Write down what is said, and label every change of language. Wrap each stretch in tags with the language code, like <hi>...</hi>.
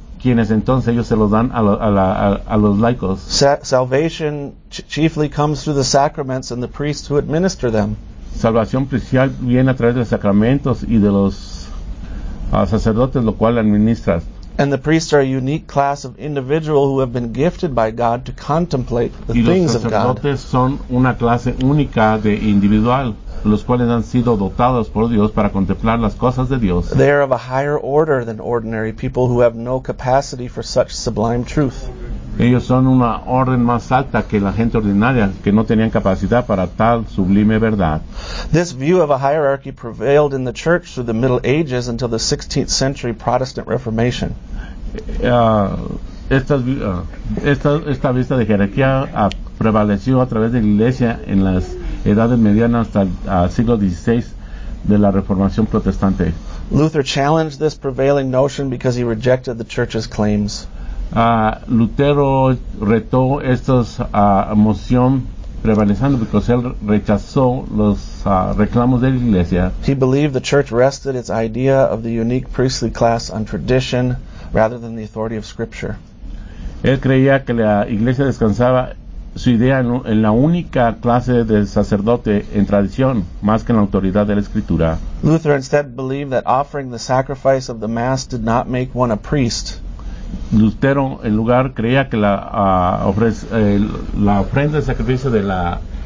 <es>Quienes entonces ellos se los dan a los laicos.</es> <en>Salvation chiefly comes through the sacraments and the priests who administer them.</en> <es>Salvación principal viene a través de los sacramentos y de los sacerdotes, lo cual administras.</es> <en>And the priests are a unique class of individual who have been gifted by God to contemplate the things of God.</en> <es>Y los sacerdotes son una clase única de individual, los cuales han sido dotados por Dios para contemplar las cosas de Dios.</es> <en>They are of a higher order than ordinary people who have no capacity for such sublime truth.</en> <es>Ellos son una orden más alta que la gente ordinaria, que no tenían capacidad para tal sublime verdad.</es> <en>This view of a hierarchy prevailed in the church through the Middle Ages until the 16th century Protestant Reformation.</en> <es>Esta vista de jerarquía prevaleció a través de la iglesia en las edades medianas hasta el siglo XVI de la Reformación Protestante.</es> <en>Luther challenged this prevailing notion because he rejected the church's claims.</en> <es>Lutero retó estas moción prevaleciendo porque él rechazó los reclamos de la iglesia.</es> <en>He believed the church rested its idea of the unique priestly class on tradition rather than the authority of scripture.</en> <es>Él creía que la iglesia descansaba su idea en la única clase de sacerdote en tradición más que en la autoridad de la escritura.</es> <en>Luther instead believed that offering the sacrifice of the mass did not make one a priest.</en> <es>Lutero, en lugar, creía que la ofrenda de sacrificio de la</es>